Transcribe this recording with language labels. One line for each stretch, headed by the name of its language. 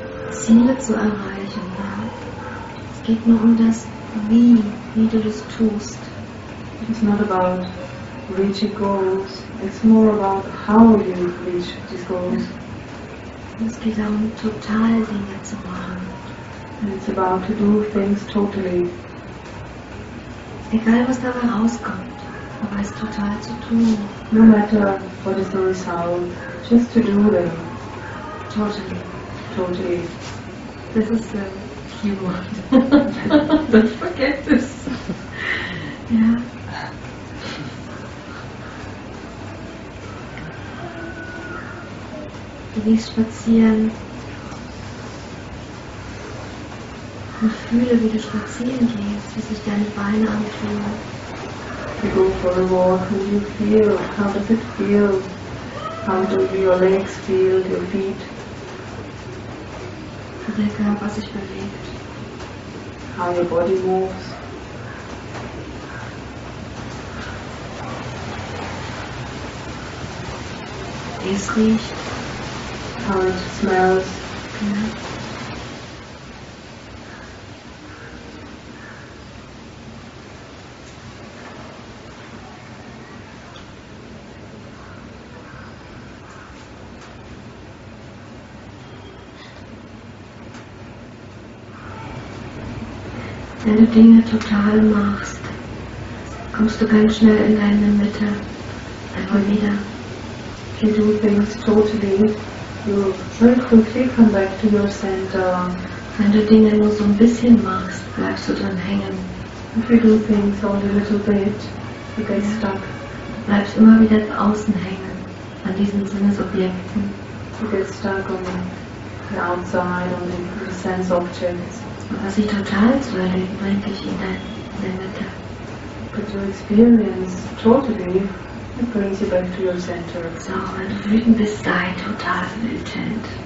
German: Ziele zu erreichen, ja. Es geht nur um das Wie du das tust.
English: It's not about reaching goals, it's more about how you reach these goals.
German: Ja. Es geht darum, total Dinge zu machen.
English: And it's about to do things totally.
German: Egal, was dabei rauskommt, aber es total zu tun.
English: No matter what is the result, just to do them. Totally. Totally. This is the key word. Don't forget this. Yeah.
German: Du gehst spazieren. Und fühle, wie du spazieren gehst, wie sich deine Beine anfühlen.
English: You go for a walk and you feel, how does it feel? How do your legs feel, your feet?
German: Wie der Körper sich bewegt.
English: How your body moves.
German: Wie es riecht.
English: How it smells.
German: Ja. Wenn du Dinge total machst, kommst du ganz schnell in deine Mitte, einfach wieder.
English: If you do things totally, you very quickly come back to your center.
German: Wenn du Dinge nur so ein bisschen machst, bleibst du dann hängen.
English: If we do things all a little bit, we get stuck.
German: Bleibst immer wieder außen hängen, an diesen Sinnesobjekten.
English: We get stuck on the outside, on the sense objects.
German: Was ich total zu erleben, bringt dich in deine Mitte.
English: But to experience totally, it brings you back to your center.
German: So, wenn du wütend bist, sei total wütend.